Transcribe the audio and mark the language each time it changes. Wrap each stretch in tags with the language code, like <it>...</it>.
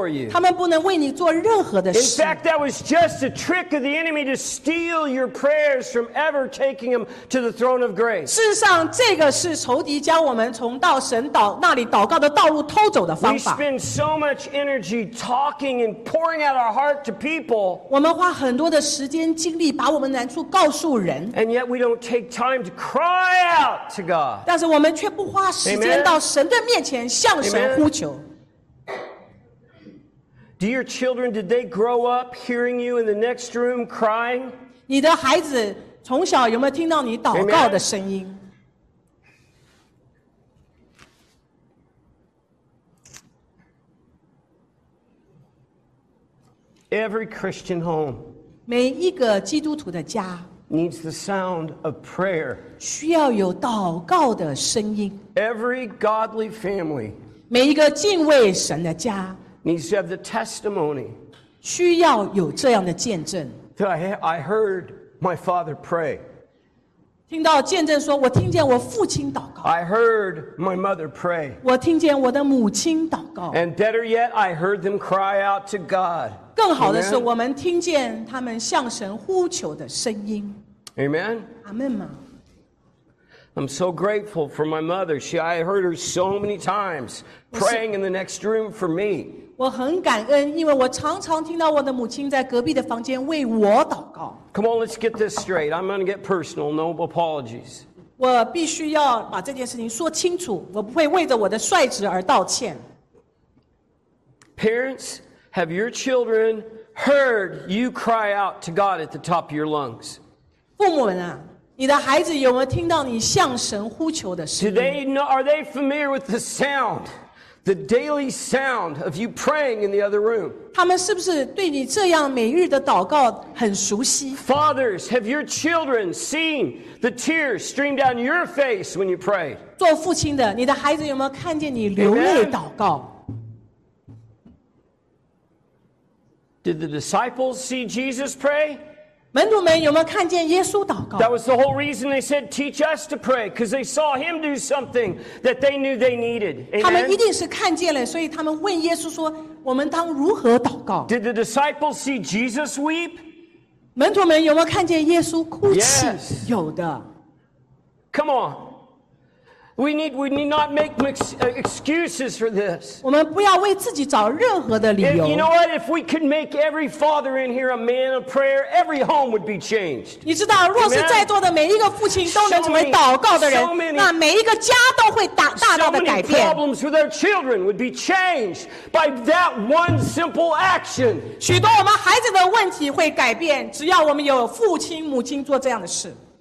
<zh>他们不能为你做任何的事。</zh> <en>In fact, that was just a trick of the enemy to steal your prayers from ever taking them to the throne of grace.</en> <zh>事实上，这个是仇敌将我们从到神那里祷告的道路偷走的方法。</zh> <en>We spend so much energy talking and pouring out our heart to people.</en> <zh>我们花很多的时间精力把我们难处告诉人。</zh> <en>And yet we don't take time to cry out to God.</en> <zh>但是我们却不花时间到神的面前向神。</zh> <en>Do your children, did they grow up hearing you in the next room crying? 你的孩子从小有没有听到你祷告的声音？ Amen. Every Christian home</en> <zh>每一个基督徒的家</zh> <en>needs the sound of prayer.</en> <zh>需要有祷告的声音。</zh> <en>Every godly family</en> <zh>每一个敬畏神的家</zh> <en>needs to have the testimony.</en> <zh>需要有这样的见证。</zh> <en>I heard my father pray.</en> <zh>听到见证说，我听见我父亲祷告。</zh> <en>I heard my mother pray.</en> <zh>我听见我的母亲祷告。</zh> <en>And better yet, I heard them cry out to God.</en> <zh>更好的是我们听见他们向神呼求的声音。</zh> <en>Amen. Amen. I'm so grateful for my mother. I heard her so many times praying in the next room for me.</en> <zh>我很感恩，因为我常常听到我的母亲在隔壁的房间为我祷告。</zh> <en>Come on, let's get this straight. I'm going to get personal. No apologies.</en> <zh>我必须要把这件事情说清楚，我不会为着我的率直而道歉。</zh> <en>Parents,Have your children heard you cry out to God at the top of your lungs?</en> <zh>父母们啊，你的孩子有没有听到你向神呼求的声音？</zh> <en>Do they know, are they familiar with the sound, the daily sound of you praying in the other room?</en> <zh>他们是不是对你这样每日的祷告很熟悉？</zh> <en>Fathers, have your children seen the tears stream down your face when you pray?</en> <zh>做父亲的，你的孩子有没有看见你流泪祷告？</zh> <en>Did the disciples see Jesus pray?</en> <zh>门徒们有没有看见耶稣祷告？</zh> <en>That was the whole reason they said, "Teach us to pray," because they saw him do something that they knew they needed.</en> <zh>他们一定是看见了，所以他们问耶稣说：“我们当如何祷告？”</zh> <en>Did the disciples see Jesus weep?</en> <zh>门徒们有没有看见耶稣哭泣？</zh> <en>Yes.</en> <zh>有的。</zh> <en>Come on. We need not make excuses for this.</en> <zh>我们不要为自己找任何的理由。</zh> <en>You know what? If we could make every father in here a man of prayer, every home would be changed.</en> <zh>你知道，若是再多的每一个父亲都能成为祷告的人，那每一个家都会大大的改变。</zh> <en>So many problems with their children would be changed by that one simple action.</en> <zh>许多我们孩子的问题会改变，只要我们有父亲母亲做这样的事。</zh>